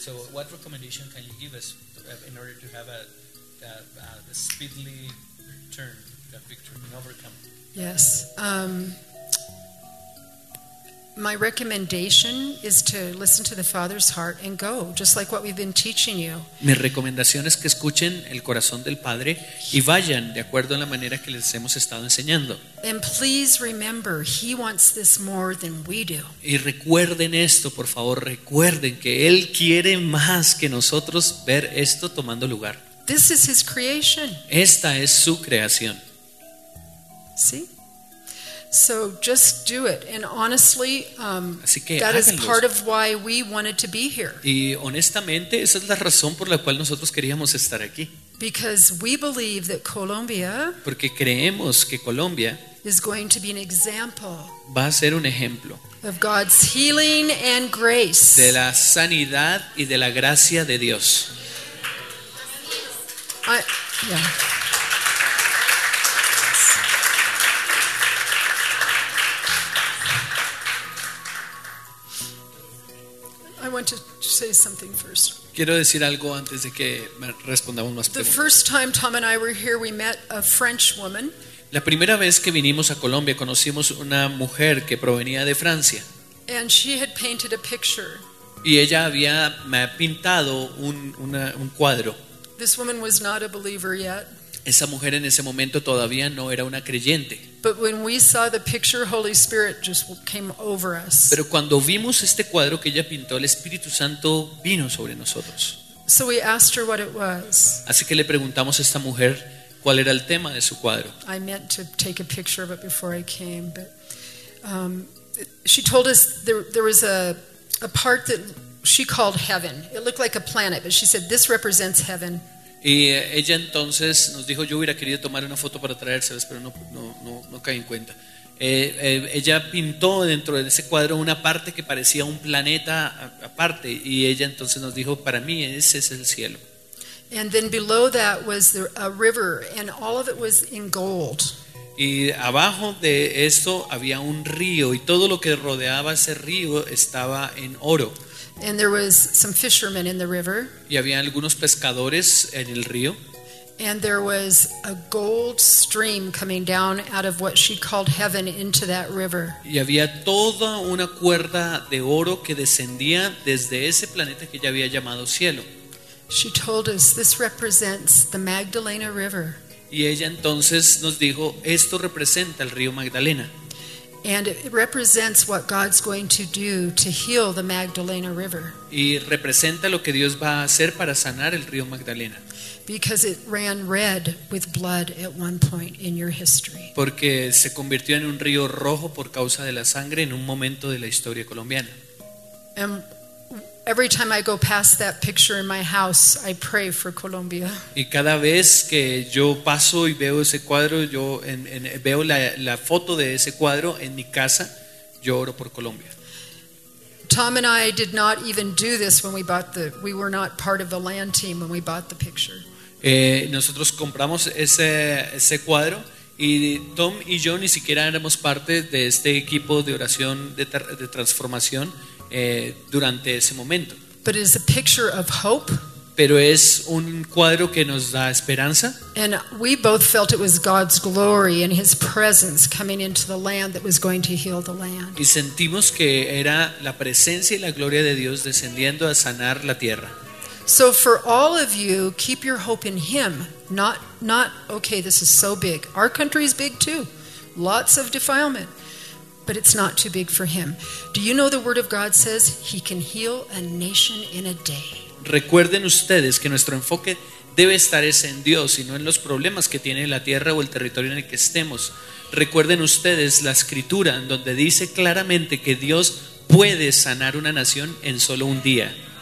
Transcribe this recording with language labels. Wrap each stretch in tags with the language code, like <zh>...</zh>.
<en>So what recommendation can you give us in order to have a speedily return, a victory and overcome? Yes. My recommendation is to listen to the Father's heart and go, just like what we've been teaching you.</en> <es>Mi recomendación es que escuchen el corazón del Padre y vayan de acuerdo a la manera que les hemos estado enseñando.</es> <en>And please remember, He wants this more than we do.</en> <es>Y recuerden esto, por favor, recuerden que Él quiere más que nosotros ver esto tomando lugar.</es> <en>This is His creation.</en> <es>Esta es su creación.</es> <en>¿Sí? So just do it, and honestly,</en> <es>así que,</es> <en>that</en> <es>háganlos.</es> <en>Is part of why we wanted to be here.</en> <es>Y honestamente, esa es la razón por la cual nosotros queríamos estar aquí.</es> <en>Because we believe that Colombia,</en> <es>porque creemos que Colombia,</es> <en>is going to be an example,</en> <es>va a ser un ejemplo,</es> <en>of God's healing and grace,</en> <es>de la sanidad y de la gracia de Dios.</es> <en>Want to say something first.</en> <es>Quiero decir algo antes de que respondamos más preguntas.</es> <en>The first time Tom and I were here, we met a French woman.</en> <es>La primera vez que vinimos a Colombia, conocimos una mujer que provenía de Francia.</es> <en>And she had painted a picture.</en> <es>Y ella había pintado un cuadro.</es> <en>This woman was not a believer yet.</en> <es>Esa mujer en ese momento todavía no era una creyente.</es> <en>But when we saw the picture, Holy Spirit just came over us.</en> <es>Pero cuando vimos este cuadro que ella pintó, el Espíritu Santo vino sobre nosotros.</es> <en>So we asked her what it was.</en> <es>Así que le preguntamos a esta mujer cuál era el tema de su cuadro.</es> <en>I meant to take a picture of it before I came, but she told us there was a part that she called heaven. It looked like a planet, but she said this represents heaven.</en> <es>Y ella entonces nos dijo, yo hubiera querido tomar una foto para traérselas, pero no caí en cuenta. Ella pintó dentro de ese cuadro una parte que parecía un planeta aparte, y ella entonces nos dijo, para mí ese es el cielo.</es> <en>And then below that was a river, and all of it was in gold.</en> <es>Y abajo de esto había un río, y todo lo que rodeaba ese río estaba en oro.</es> <en>And there was some fishermen in the river.</en> <es>Y había algunos pescadores en el río.</es> <en>And there was a gold stream coming down out of what she called heaven into that river.</en> <es>Y había toda una cuerda de oro que descendía desde ese planeta que ella había llamado cielo.</es> <en>She told us this represents the Magdalena River.</en> <es>Y ella entonces nos dijo, esto representa el río Magdalena.</es> <en>And it represents what God's going to do to heal the Magdalena River.</en> <es>Y representa lo que Dios va a hacer para sanar el río Magdalena.</es> <en>Because it ran red with blood at one point in your history.</en> <es>Porque se convirtió en un río rojo por causa de la sangre en un momento de la historia colombiana.</es> <en>And every time I go past that picture in my house, I pray for Colombia.</en> <es>Y cada vez que yo paso y veo ese cuadro, yo veo la foto de ese cuadro en mi casa, yo oro por Colombia.</es> <en>Tom and I did not even do this when we were not part of the land team when we bought the picture.</en> <es>Nosotros compramos ese cuadro y Tom y yo ni siquiera éramos parte de este equipo de oración de transformación. Durante ese momento.</es> <en>But it is a picture of hope.</en> <es>Pero es un cuadro que nos da esperanza.</es> <en>And we both felt it was God's glory and His presence coming into the land that was going to heal the land.</en> <es>Y sentimos que era la presencia y la gloria de Dios descendiendo a sanar la tierra.</es> <en>So for all of you, keep your hope in Him. Not okay, this is so big. Our country is big too. Lots of defilement. But it's not too big for Him. Do you know the Word of God says He can heal a nation in a day?</en> <es>Recuerden ustedes que nuestro enfoque debe estar es en Dios y no en los problemas que tiene la tierra o el territorio en el que estemos. Recuerden ustedes la Escritura en donde dice claramente que Dios puede sanar una nación en solo un día.</es>